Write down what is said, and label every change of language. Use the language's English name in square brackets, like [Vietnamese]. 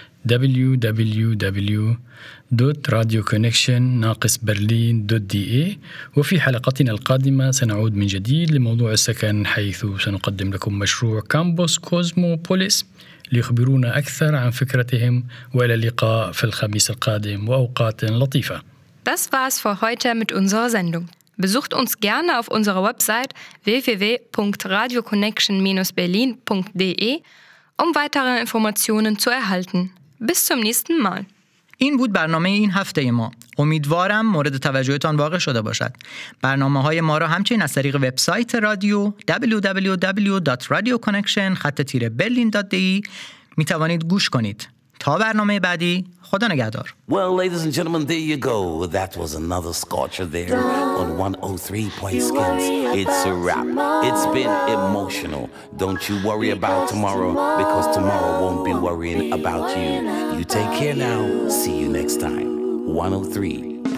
[Arabic] www.radioconnection-berlin.de وفي حلقتنا القادمة سنعود من جديد لموضوع السكن حيث سنقدم لكم مشروع كامبوس كوزموبوليس ليخبرونا أكثر عن فكرتهم وإلى اللقاء في الخميس القادم وأوقات لطيفة. [German] Das war's für heute mit unserer Sendung. Besucht uns gerne auf unserer Website www.radioconnection-berlin.de um weitere Informationen zu erhalten. Bis zum nächsten Mal. [Persian] این بود برنامه این هفته ما. امیدوارم مورد توجهتان واقع شده باشد. برنامه‌های ما را همچنین از طریق وبسایت رادیو www.radioconnection-berlin.de می توانید گوش کنید. تا برنامه بعدی خدا نگهدار. [English] Well ladies and gentlemen there you go that was another scorcher there on 103.skins it's a wrap it's been emotional don't you worry about tomorrow because tomorrow won't be worrying about you you take care now see you next time 103.skins